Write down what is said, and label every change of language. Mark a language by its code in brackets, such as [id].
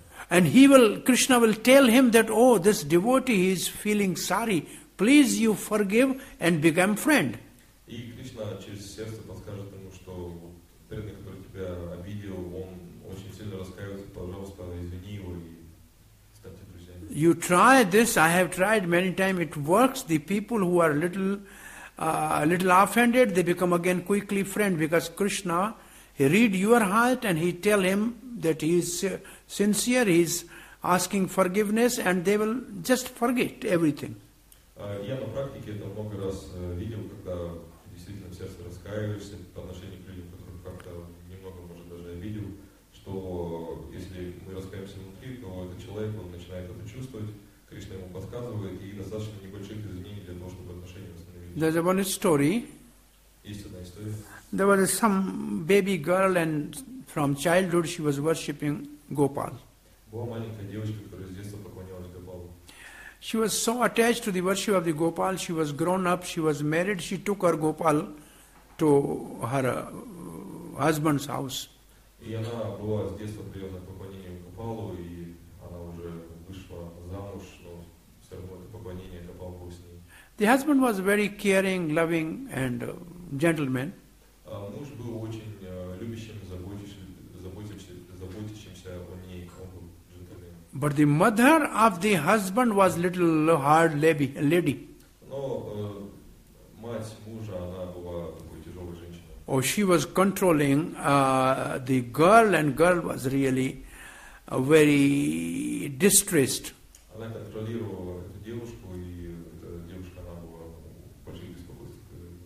[en] And Krishna will tell him that, oh, this devotee is feeling sorry. Please you forgive and become friend. [ru] И Кришна через сердце подскажет ему, что преданный, который тебя обидел, он очень сильно раскаивается, пожалуйста, извини его и ставьте друзьями. [en] You try this, I have tried many times, it works. The people who are little offended, they become again quickly friend because Krishna, he read your heart and he tell him that he is sincere, he is asking forgiveness and they will just forget everything. [ru] Я на практике это много раз видел, когда действительно в сердце раскаиваешься по отношению к людям, которых как-то немного, может, даже обидел, что если мы раскаиваемся внутри, то этот человек, он начинает это чувствовать, Кришна ему подсказывает, и достаточно небольших изменений для того, чтобы отношения восстановились. [en] There's one story. [ru] Есть одна история. [en] There was some baby girl and from childhood she was worshipping Gopal. [ru] Была маленькая девочка, которая с детства поклонялась Гопалу. [en] She was so attached to the worship of the Gopal, she was grown up, she was married, she took her Gopal to her husband's house. [ru] И она была с детства привязана к поклонению Гопалу, и она уже вышла замуж, но все равно это поклонение Гопалу было с ней. [en] The husband was very caring, loving and gentleman. [ru] Муж был очень любящим, заботящимся о ней, он был джентльмен. [en] But the mother of the husband was little hard lady. [ru] Но мать мужа, она была такой тяжелой женщиной. [en] Oh, she was controlling the girl, and girl was really very distressed. [ru] Она контролировала эту девушку, и эта девушка, она была в большом беспокойстве.